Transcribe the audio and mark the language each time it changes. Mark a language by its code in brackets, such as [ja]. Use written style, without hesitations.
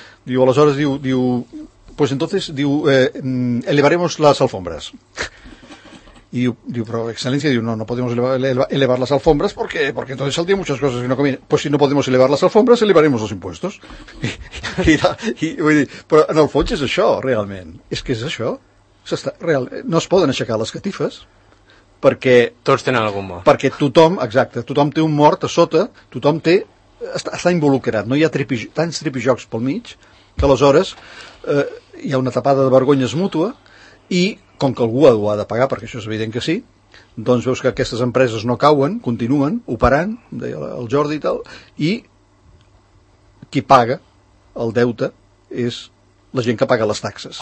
[ca] Diu, aleshores, diu [es] pues entonces, diu, elevaremos las alfombras. [ca] I diu, però excel·lència, diu, [es] no podemos elevar las alfombras porque entonces saldrían muchas cosas que no convienen. Pues si no podemos elevar las alfombras, elevaremos los impuestos. [ca] I vull dir, però en el fons és això, realment. És que és això. No es poden aixecar les catifes perquè... Tots tenen algun mort. Perquè tothom, exacte, tothom té un mort a sota, tothom té, està involucrat. No hi ha tants tripijocs pel mig que aleshores hi ha una tapada de vergonyes mútua i, com que algú ho ha de pagar, perquè això és evident que sí, doncs veus que aquestes empreses no cauen, continuen operant, deia el Jordi i tal, i qui paga el deute és la gent que paga les taxes.